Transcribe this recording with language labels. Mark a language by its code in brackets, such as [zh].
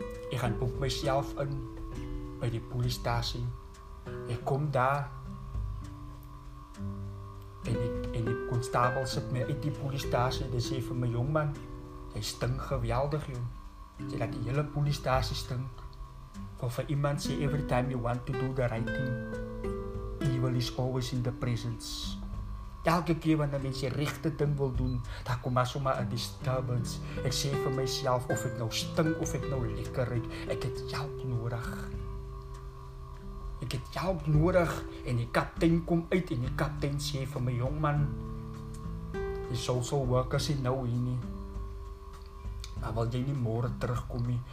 [af] Ek gaan boek myself in by die polisiestasie. Ek kom daar en die konstabel sit my uit die polisiestasie, en sê vir my, jongman, jy stink geweldig, jong. Sê dat die hele polisiestasie stink. Wil vir iemand sê, [en] every time you want to do the right thing, evil is always in the presence. [af] Elke keer wanneer mens die rechte ding wil doen, daar kom maar sommer een disturbance. Ek sê vir myself, of ek nou stink, of ek nou lekker ruik, ek het help nodig. Ek het help nodig, en die kaptein kom uit, en die kaptein sê vir my, jongman, die social workers het nou hier nie, maar wil jy nie morgen terugkom nie?